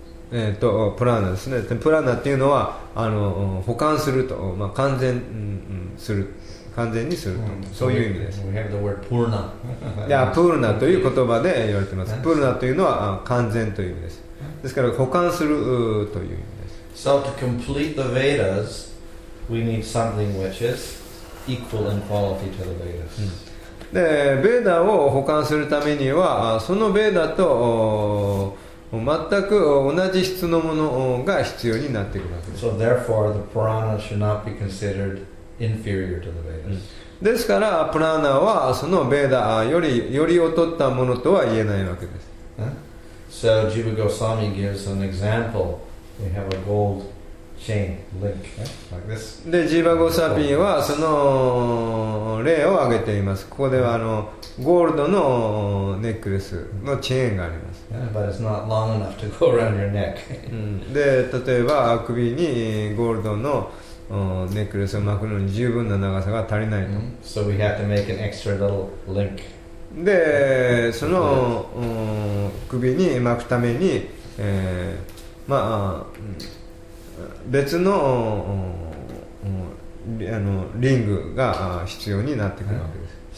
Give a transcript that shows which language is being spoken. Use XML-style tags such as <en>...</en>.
<ja>プラーナですね。プラーナっていうのは保管すると、まあ、完全する完全にすると、うん、そういう意味です。</ja> <en>We have the word purna.</en> <ja>いや、プーナという言葉で言われてます。プーナというのは完全という意味です。ですから補完するという意味です。</ja> <en>So to complete the Vedas, we need something which is equal in quality to the Vedas.、うん、</en> <ja>で、ベーダを補完するためには、そのベーダと全く同じ質のものが必要になってくるわけです。</ja> <en>So therefore, the Purana should not be considered inferior to the Vedas.、うん、</en> <ja>ですから、プラーナはそのベーダより劣ったものとは言えないわけです。</ja> <en>So Jiva Goswami gives an example. We have a gold chain link, like this.</en> <ja>で、ジーバ・ゴサピンはその例を挙げています。ここではゴールドのネックレスのチェーンがあります。</ja> <en>Yeah, but it's not long enough to go around your neck.</en> <ja>で、例えば首にゴールドのネックレスを巻くのに十分な長さが足りないと。 Mm-hmm.</ja> <en>So we have to make an extra little link.</en> <ja>で、その首に巻くために、まあ、別 の, リングが必要になってくるわけです。</ja>